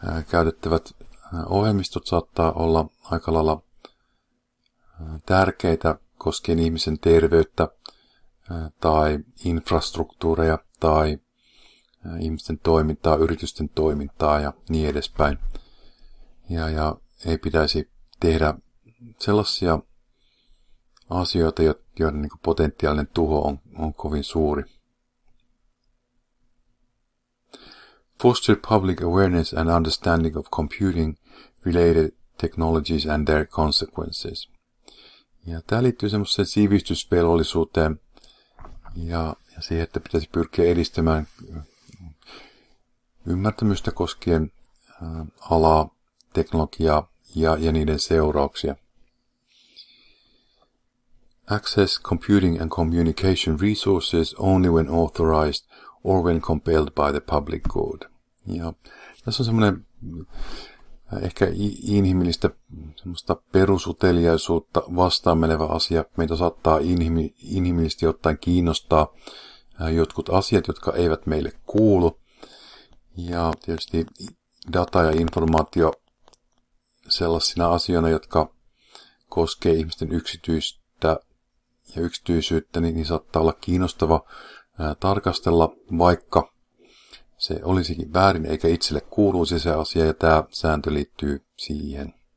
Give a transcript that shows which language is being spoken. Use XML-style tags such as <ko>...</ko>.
<fi>Käytettävät ohjelmistot saattaa olla aika lailla tärkeitä koskien ihmisen terveyttä tai infrastruktuureja tai ihmisten toimintaa, yritysten toimintaa ja niin edespäin. Ja ei pitäisi tehdä sellaisia asioita, joiden niin kuin potentiaalinen tuho on kovin suuri.</fi> <en>Foster public awareness and understanding of computing related technologies and their consequences.</en> <fi>Ja tämä liittyy semmoiseen sivistysvelvollisuuteen ja siihen, että pitäisi pyrkiä edistämään ymmärtämystä koskien alaa, teknologiaa ja niiden seurauksia.</fi> <en>Access computing and communication resources only when authorized or when compelled by the public good.</en> <fi>Ja tässä on semmoinen ehkä inhimillistä semmoista perusuteliaisuutta vastaan menevä asia. Meitä saattaa inhimillisesti ottaen kiinnostaa jotkut asiat, jotka eivät meille kuulu. Ja tietysti data ja informaatio sellaisina asioina, jotka koskee ihmisten yksityistä ja yksityisyyttä, niin saattaa olla kiinnostava tarkastella, vaikka se olisikin väärin, eikä itselle kuuluisi se asia, ja tämä sääntö liittyy siihen.</fi>